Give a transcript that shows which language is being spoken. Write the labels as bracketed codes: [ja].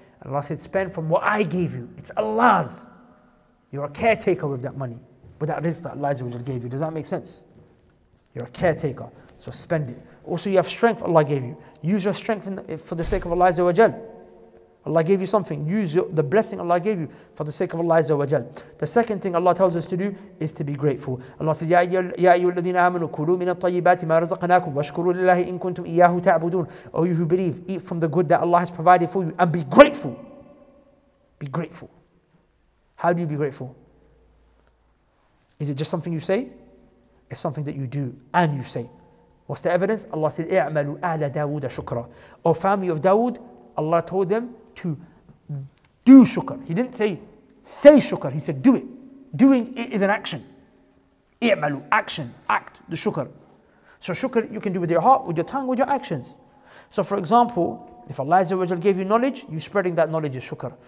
[en] And Allah said, spend from what I gave you. It's Allah's. You're a caretaker with that money, with that rizq that Allah gave you. Does that make sense? You're a caretaker, so spend it. Also, you have strength Allah gave you. Use your strength for the sake of Allah. Allah gave you something. Use the blessing Allah gave you for the sake of Allah. The second thing Allah tells us to do is to be grateful. Allah says, [ar] يَا أَيُّوا الَّذِينَ آمَنُوا كُلُوا مِنَ الطَّيِّبَاتِ مَا رَزَقْنَاكُمْ وَشْكُرُوا لِلَّهِ إِن كُنْتُمْ إِيَّاهُ تَعْبُدُونَ. [en] Oh, you who believe, eat from the good that Allah has provided for you and be grateful. Be grateful. How do you be grateful? Is it just something you say? It's something that you do and you say. What's the evidence? Allah said, [ar] اِعْمَلُوا أَهْلَ دَاوُدَ شُكْرًا. [en] O family of Dawood, Allah told them to do shukr. He didn't say shukr. He said, do it. Doing it is an action. اِعْمَلُوا, action, act, the shukr. So shukr you can do with your heart, with your tongue, with your actions. So for example, if Allah gave you knowledge, you spreading that knowledge is shukr.